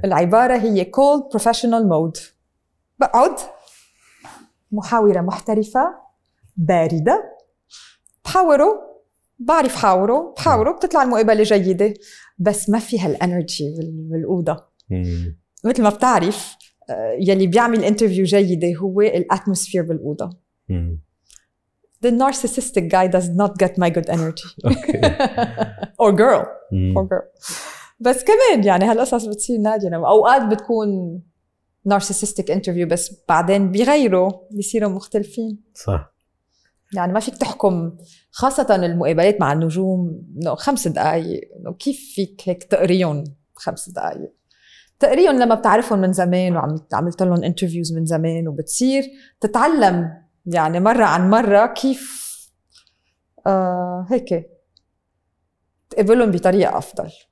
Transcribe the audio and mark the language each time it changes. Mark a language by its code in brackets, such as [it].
[ar] العبارة هي [en] cold professional mode، [ar] بقعد محاورة محترفة باردة، بحاوره بتطلع المقابلة جيدة، بس ما فيها الانرجي والقودة. مثل ما بتعرف يلي بيعمل انترفيو جيدة هو الاتموسفير بالقودة. [en] The narcissistic guy does not get my good energy. Okay. Or girl. Or girl. [ar] بس كمان يعني هالقصص بتصير نادرة، أوقات بتكون narcissistic interview بس بعدين بيغيروا بيصيروا مختلفين. صح. يعني ما فيك تحكم، خاصة المقابلات مع النجوم إنه خمس دقايق، إنه كيف فيك هيك تقريون خمس دقايق؟ تقريون لما بتعرفهم من زمان وعملت لهم interviews من زمان، وبتصير تتعلم يعني مرة عن مرة كيف هيك تقبلهم بطريقة أفضل.